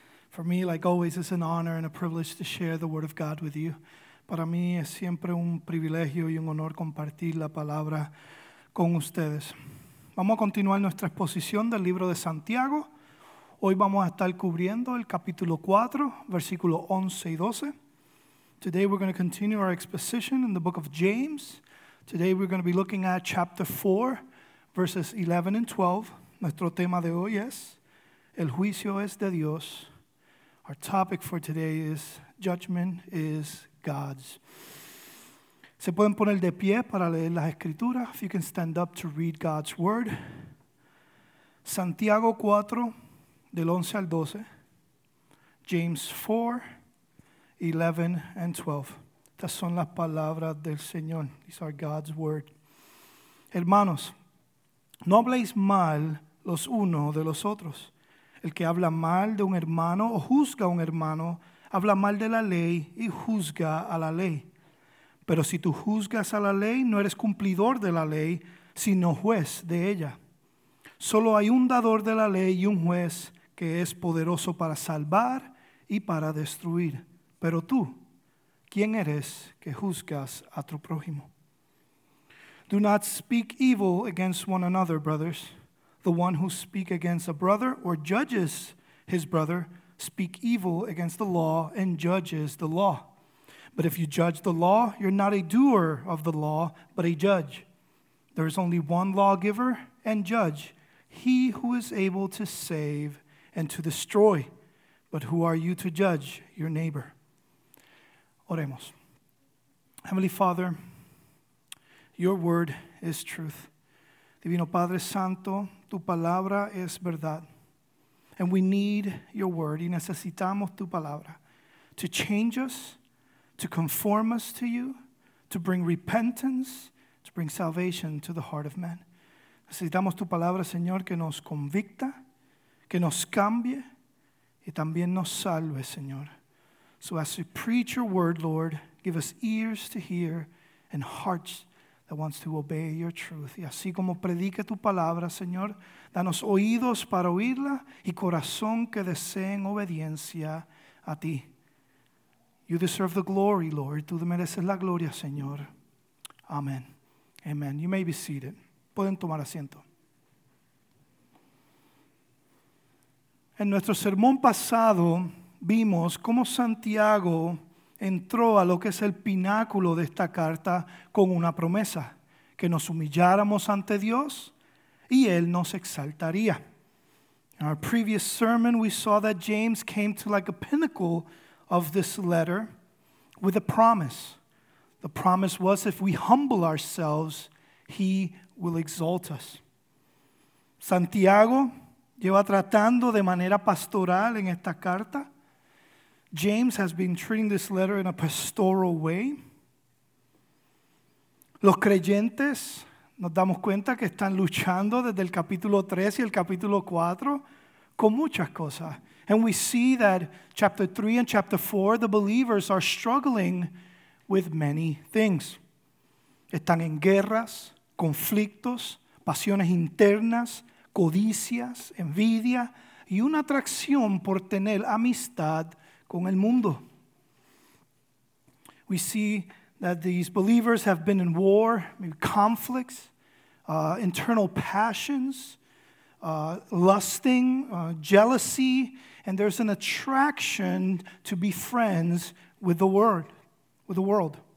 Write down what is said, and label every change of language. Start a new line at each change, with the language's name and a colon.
English: For me, like always, it's an honor and a privilege to share the Word of God with you.
Spanish: Para mí es siempre un privilegio y un honor compartir la palabra con ustedes. Vamos a continuar nuestra exposición del libro de Santiago. Hoy vamos a estar cubriendo el capítulo 4, versículos 11 y 12.
English: Today we're going to continue our exposition in the book of James. Today we're going to be looking at chapter 4, verses 11 and 12.
Spanish: Nuestro tema de hoy es, el juicio es de Dios.
English: Our topic for today is, judgment is God's.
Spanish: Se pueden poner de pie para leer las escrituras.
English: If you can stand up to read God's word.
Spanish: Santiago 4, del 11 al 12.
English: James 4, 11 and 12.
Spanish: Estas son las palabras del Señor.
English: These are God's word.
Spanish: Hermanos, no habléis mal los unos de los otros. El que habla mal de un hermano o juzga a un hermano, habla mal de la ley y juzga a la ley. Pero si tú juzgas a la ley, no eres cumplidor de la ley, sino juez de ella. Solo hay un dador de la ley y un juez que es poderoso para salvar y para destruir. Pero tú, ¿quién eres que juzgas a tu prójimo?
English: Do not speak evil against one another, brothers. The one who speaks against a brother or judges his brother speak evil against the law and judges the law. But if you judge the law, you're not a doer of the law, but a judge. There is only one lawgiver and judge, he who is able to save and to destroy. But who are you to judge your neighbor?
Spanish: Oremos.
English: Heavenly Father, your word is truth.
Spanish: Divino Padre Santo, tu palabra es verdad.
English: And we need your word,
Spanish: y necesitamos tu palabra,
English: to change us, to conform us to you, to bring repentance, to bring salvation to the heart of man.
Spanish: Necesitamos tu palabra, Señor, que nos convicta, que nos cambie, y también nos salve, Señor.
English: So as we preach your word, Lord, give us ears to hear and hearts that wants to obey your truth.
Spanish: Y así como predique tu palabra, Señor, danos oídos para oírla y corazón que deseen obediencia a ti.
English: You deserve the glory, Lord.
Spanish: Tú mereces la gloria, Señor.
English: Amen. Amen. You may be seated.
Spanish: Pueden tomar asiento. En nuestro sermón pasado, vimos cómo Santiago entró a lo que es el pináculo de esta carta con una promesa, que nos humilláramos ante Dios y Él nos exaltaría.
English: In our previous sermon, we saw that James came to like a pinnacle of this letter with a promise. The promise was, if we humble ourselves, He will exalt us.
Spanish: Santiago lleva tratando de manera pastoral en esta carta.
English: James has been treating this letter in a pastoral way.
Spanish: Los creyentes nos damos cuenta que están luchando desde el capítulo 3 y el capítulo 4 con muchas cosas.
English: And we see that chapter 3 and chapter 4, the believers are struggling with many things.
Spanish: Están en guerras, conflictos, pasiones internas, codicias, envidia y una atracción por tener amistad con el mundo.
English: We see that these believers have been in war, maybe conflicts, internal passions, lusting, jealousy, and there's an attraction to be friends with the world.